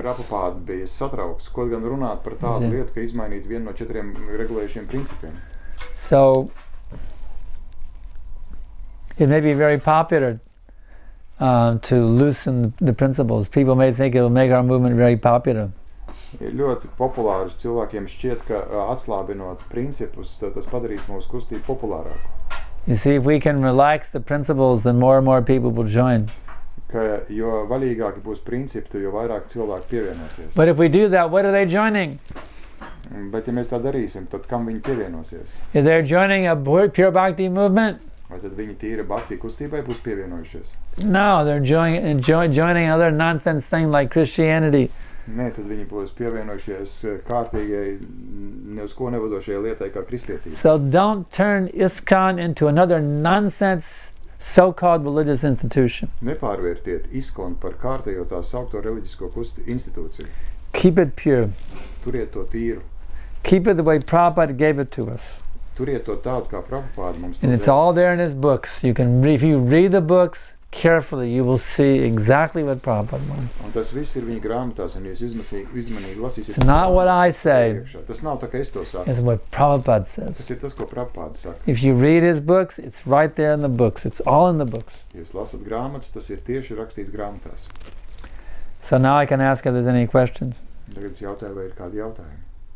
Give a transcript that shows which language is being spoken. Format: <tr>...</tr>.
<lv>Prabhupāda bija satraukts, kaut gan runāt par tādu lietu, ka izmainīt vienu no četriem regulējušiem principiem.</lv> <en>So, it may be very popular to loosen the principles. People may think it will make our movement very popular.</en> <lv>Ir ļoti populārs cilvēkiem šķiet, ka atslābinot principus, tas padarīs mūsu kustību populārāku.</lv> <en>You see, if we can relax the principles, then more and more people will join.</en> <lv>Ka jo valīgāki būs principi, jo vairāk cilvēku pievienosies.</lv> <en>But if we do that, what are they joining?</en> <lv>Bet ja mēs tā darīsim, tad kam viņi pievienosies?</lv> <en>If they're joining a pure bhakti movement,</en> <lv>vai tad viņi tīri bhakti kustībai būs pievienojušies?</lv> <en>No, they're joining other nonsense thing like Christianity.</en> <lv>Nē, tad viņi būs pievienojušies kārtīgai, ne uz ko nevadošajai lietai kā kristietība.</lv> <en>So don't turn ISKCON into another nonsense so-called religious institution.</en> <lv>Nepārvērtiet Iskonu par kārtējo tā saukto reliģisko kustu institūciju.</lv> <en>Keep it pure.</en> <lv>Turiet to tīru.</lv> <en>Keep it the way Prabhupada gave it to us.</en> <lv>Turiet to tādu, kā Prabhupāda mums to.</lv> <en>And it's all there in his books. You can if you read the books carefully, you will see exactly what Prabhupada meant.</en> <lv>Un tas viss ir viņa grāmatās, un jūs izmanīgi lasīsiet.</lv> <en>It's not what I say.</en> <lv>Tas nav tā, ka es to saku.</lv> <en>It's what Prabhupada says.</en> <lv>Tas ir tas, ko Prabhupāda saka.</lv> <en>If you read his books, it's right there in the books. It's all in the books.</en> <lv>Jūs lasat grāmatas, tas ir tieši rakstīts grāmatās.</lv> <en>So now I can ask if there's any questions.</en> <lv>Tagad es jautāju, vai ir kādi jautājumi.</lv>